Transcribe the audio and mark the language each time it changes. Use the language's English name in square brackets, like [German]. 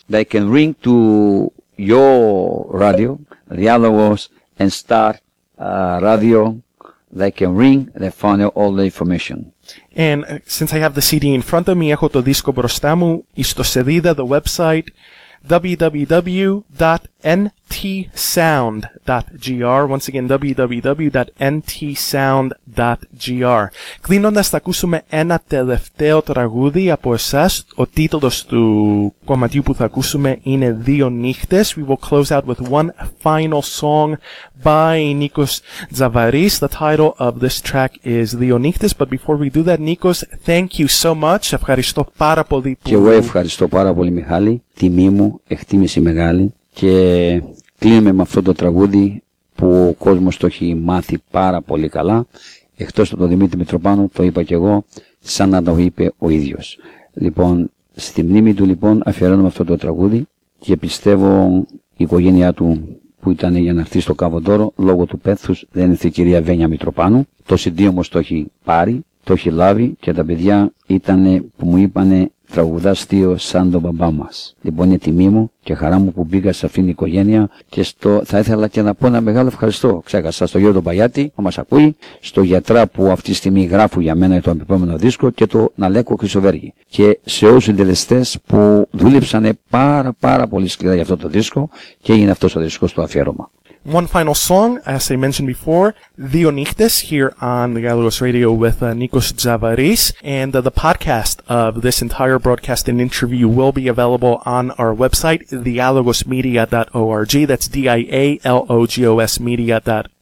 [English] They can ring to your radio, the other ones, and start radio. They can ring. They find out all the information. And since I have the CD in front of me, [Greek] έχω το δίσκο μπροστά μου, στο σελίδα, [English] the website, www.ntsound.gr. Once again, www.ntsound.gr. [Greek] Κλείνοντας, θα ακούσουμε ένα τελευταίο τραγούδι από εσάς. Ο τίτλος του κομματιού που θα ακούσουμε είναι «Δύο νύχτες». [English] We will close out with one final song by Nikos Tsavaris. The title of this track is «Δύο νύχτες». But before we do that, Nikos, thank you so much. [Greek] Ευχαριστώ πάρα πολύ. Και εγώ ευχαριστώ πάρα πολύ, Μιχάλη. Τιμή μου, εκτίμηση μεγάλη. Και κλείνουμε με αυτό το τραγούδι που ο κόσμος το έχει μάθει πάρα πολύ καλά. Εκτός από τον Δημήτρη Μητροπάνου, το είπα και εγώ, σαν να το είπε ο ίδιος. Λοιπόν, στη μνήμη του λοιπόν αφιερώνουμε αυτό το τραγούδι και πιστεύω η οικογένειά του που ήταν για να έρθει στο Καβοντόρο λόγω του πέθους, δεν ήρθε η κυρία Βένια Μητροπάνου. Το CD όμως το έχει πάρει, το έχει λάβει και τα παιδιά ήτανε που μου είπανε τραγουδάς θείο σαν τον μπαμπά μας. Λοιπόν, είναι τιμή μου και χαρά μου που μπήκα σε αυτήν την οικογένεια και στο, θα ήθελα και να πω ένα μεγάλο ευχαριστώ. Ξέχασα στο Γιώργο Παγιάτη που μας ακούει, στο γιατρά που αυτή τη στιγμή γράφω για μένα για το επόμενο δίσκο και το Ναλέκο Χρυσοβέργη. Και σε όλους τους συντελεστές που δούλεψαν πάρα πολύ σκληρά για αυτό το δίσκο και έγινε αυτός ο δίσκος στο αφιέρωμα. [English] One final song, as I mentioned before, Δύο Νύχτες, here on the Galagos Radio with Nikos Tsavaris, and the podcast of this entire broadcast and interview will be available on our website, dialogosmedia.org, that's dialogosmedia.org.